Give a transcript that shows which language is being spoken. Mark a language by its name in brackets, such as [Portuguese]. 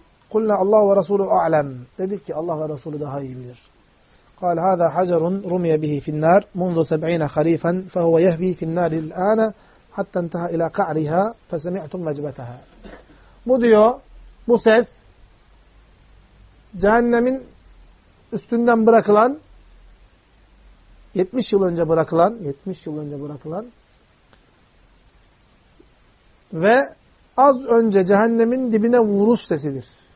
[Arabic] قُلْنَا اللّٰهُ وَرَسُولُ اَعْلَمُ [Turkish] Dedik ki Allah ve Resulü daha iyi bilir. [Arabic] قال هذا حجر رمي به في النار منذ 70 خريفا فهو يهوي في النار الآن حتى انتهى إلى قعرها فسمعتم مجبتها. [Turkish] Bu diyor, bu ses cehennemin üstünden bırakılan 70 yıl önce bırakılan, 70 yıl önce bırakılan ve az önce cehennemin dibine vuruş sesidir.